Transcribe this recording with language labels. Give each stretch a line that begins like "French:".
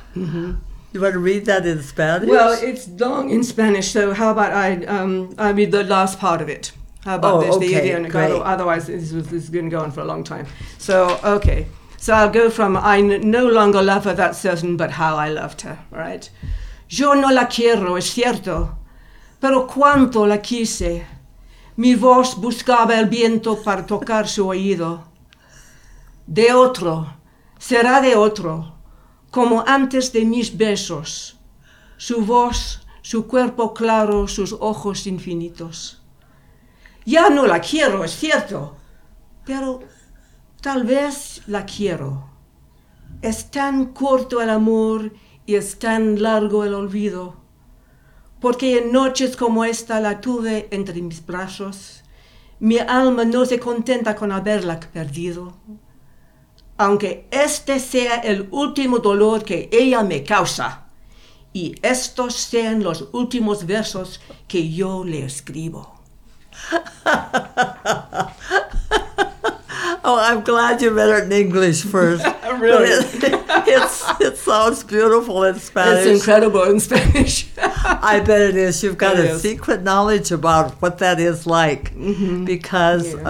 English: Mm-hmm. You want to read that in Spanish? Well, it's long in Spanish, so how about I read the last part of it? How about otherwise, this is going to go on for a long time. So, okay. So I'll go from, I no longer love her, that's certain, but how I loved her, right?
Spanish: Yo no la quiero, es cierto, pero cuánto la quise. Mi voz buscaba el viento para tocar su oído. De otro, será de otro, como antes de mis besos. Su voz, su cuerpo claro, sus ojos infinitos. Ya no la quiero, es cierto, pero tal vez la quiero. Es tan corto el amor y es tan largo el olvido. Porque en noches como esta la tuve entre mis brazos. Mi alma no se contenta con haberla perdido. Aunque este sea el último dolor que ella me causa. Y estos sean los últimos versos que yo le escribo.
English: Oh, I'm glad you read it in English first. Really? It sounds beautiful in Spanish. It's incredible in Spanish. I bet it is. You've got it a is. Secret knowledge about what that is like, mm-hmm. because yeah.